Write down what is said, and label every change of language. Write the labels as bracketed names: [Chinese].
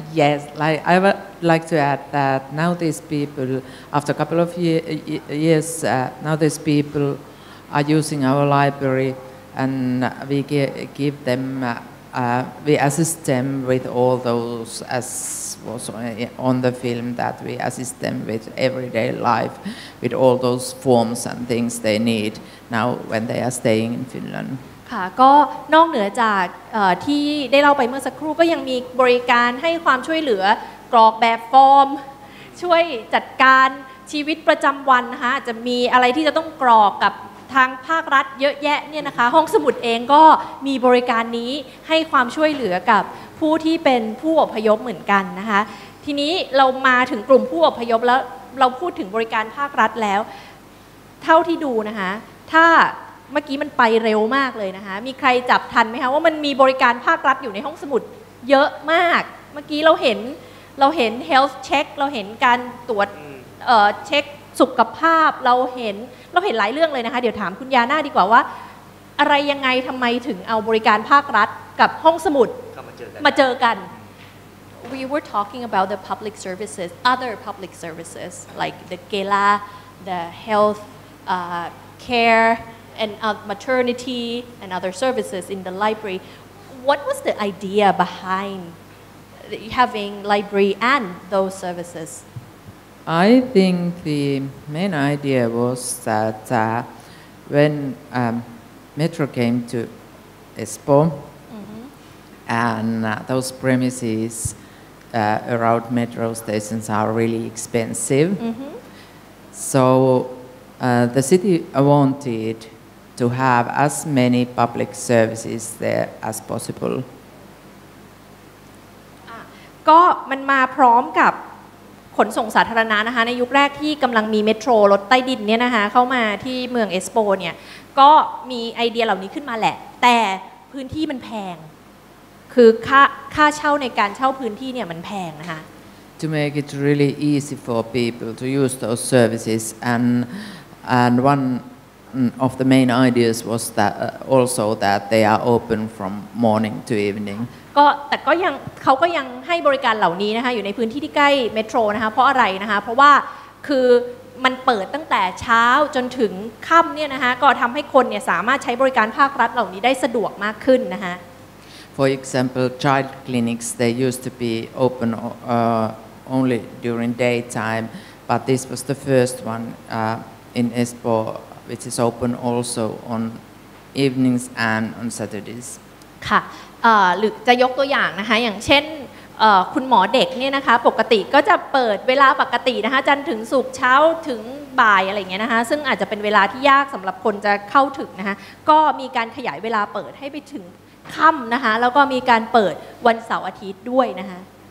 [English] Yes, like I would like to add that now these people, after a couple of years, now these people are using our library, and we give them, we assist them with all those, as was on the film, that we assist them with everyday life, with all those forms and things they need now when they are staying in Finland. [Thai] ก็นอกเหนือจากที่ได้เล่าไปเมื่อสักครู่ก็ยังมีบริการให้ความช่วยเหลือกรอกแบบฟอร์มช่วยจัดการชีวิตประจำวันนะคะจะมีอะไรที่จะต้องกรอกกับทางภาครัฐเยอะแยะเนี่ยนะคะห้องสมุดเองก็มีบริการนี้ให้ความช่วยเหลือกับผู้ที่เป็นผู้อพยพเหมือนกันนะคะทีนี้เรามาถึงกลุ่มผู้อพยพแล้วเราพูดถึงบริการภาครัฐแล้ว เท่าที่ดูนะคะถ้าเมื่อกี้มันไปเร็วมากเลยนะคะมีใครจับทันไหมคะว่ามันมีบริการภาครัฐอยู่ในห้องสมุดเยอะมากเมื่อกี้เราเห็น health check เราเห็นการตรวจเช็คสุขภาพเราเห็นหลายเรื่องเลยนะคะเดี๋ยวถามคุณยาน่าดีกว่าว่าอะไรยังไงทำไมถึงเอาบริการภาครัฐกับห้องสมุด มาเจอกัน [English] We were talking about the public services other public services like the Gela the health careand maternity and other services in the library. What was the idea behind having library and those services? I think the main idea was that when Metro came to Espoo and those premises around Metro stations are really expensive. So the city wantedto have as many public services there as possible. [Thai] ก็มันมาพร้อมกับขนส่งสาธารณะนะคะในยุคแรกที่กำลังมีเมโทรรถใต้ดินเนี่ยนะคะเข้ามาที่เมืองเอสโปเนี่ยก็มีไอเดียเหล่านี้ขึ้นมาแหละแต่พื้นที่มันแพงคือค่าเช่าในการเช่าพื้นที่เนี่ยมันแพงนะคะ [English] To make it really easy for people to use those services and one of the main ideas was that also that they are open from morning to evening [Thai] ก็แต่ก็ยังเขาก็ยังให้บริการเหล่านี้นะคะอยู่ในพื้นที่ที่ใกล้เมโทรนะคะเพราะอะไรนะคะเพราะว่าคือมันเปิดตั้งแต่เช้าจนถึงค่ำเนี่ยนะคะก็ทำให้คนเนี่ยสามารถใช้บริการภาครัฐเหล่านี้ได้สะดวกมากขึ้นนะคะ [English] For example child clinics they used to be open only during daytime but this was the first one in Espoo which is open also on evenings and on Saturdays [Thai] ค่ะหรือจะยกตัวอย่างนะคะอย่างเช่นคุณหมอเด็กเนี่ยนะคะปกติก็จะเปิดเวลาปกตินะคะจันทร์ถึงศุกร์เช้าถึงบ่ายอะไรเงี้ยนะคะซึ่งอาจจะเป็นเวลาที่ยากสำหรับคนจะเข้าถึงนะคะก็มีการขยายเวลาเปิดให้ไปถึงค่ำนะคะแล้วก็มีการเปิดวันเสาร์อาทิตย์ด้วยนะคะ